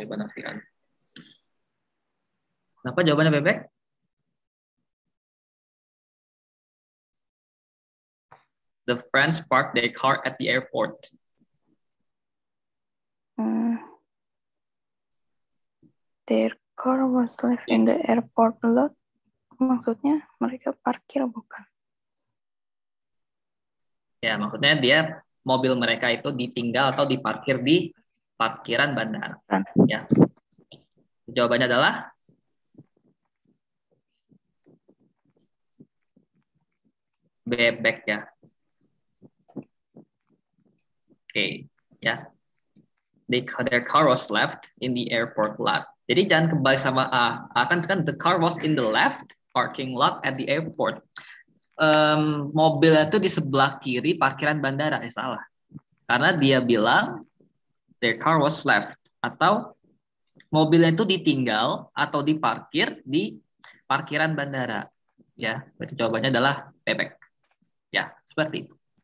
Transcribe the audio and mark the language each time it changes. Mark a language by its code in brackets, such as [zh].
[id] Kenapa jawabannya bebek? [en] The friends parked their car at the airport. Their car was left in the airport lot. [id] Maksudnya mereka parkir bukan? Ya, maksudnya dia mobil mereka itu ditinggal atau diparkir di parkiran bandara. Ya. Jawabannya adalah bebek ya. Oke, ya. [en] Their car was left in the airport lot. [id] Jadi jangan kembali sama kan [en] the car was in the left parking lot at the airport. [id] Mobilnya itu di sebelah kiri parkiran bandara, ya salah. Karena dia bilang [en] their car was left, [id] atau mobilnya itu ditinggal atau diparkir di parkiran bandara. Ya, berarti jawabannya adalah bebek. Ya, seperti itu.